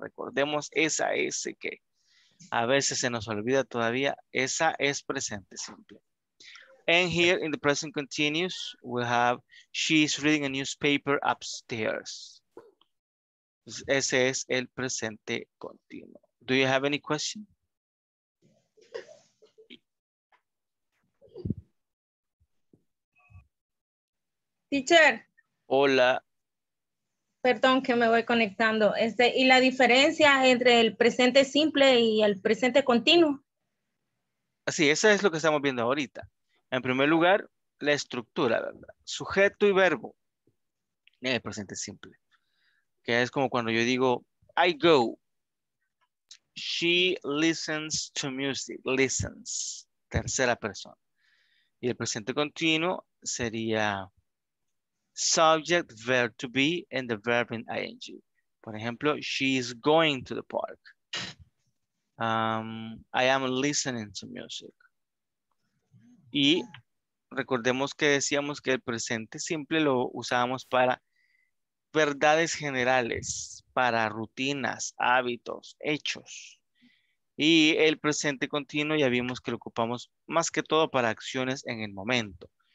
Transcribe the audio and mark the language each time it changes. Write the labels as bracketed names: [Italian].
[Spanish] Recordemos esa S que a veces se nos olvida todavía. Esa es presente simple. [English] And here in the present continuous, we have, she is reading a newspaper upstairs. [Spanish] Ese es el presente continuo. [English] Do you have any question? Teacher. [Spanish] Hola. Perdón que me voy conectando. ¿Y la diferencia entre el presente simple y el presente continuo? Sí, eso es lo que estamos viendo ahorita. En primer lugar, la estructura, ¿verdad? Sujeto y verbo. En el presente simple. Que es como cuando yo digo, [English] I go. She listens to music. Listens. [Spanish] Tercera persona. Y el presente continuo sería [English] subject, verb to be, and the verb in ing. [Spanish] Por ejemplo, [English] she is going to the park. I am listening to music. [Spanish] Y recordemos que decíamos que el presente simple lo usábamos para verdades generales, para rutinas, hábitos, hechos. Y el presente continuo ya vimos que lo ocupamos más que todo para acciones en el momento.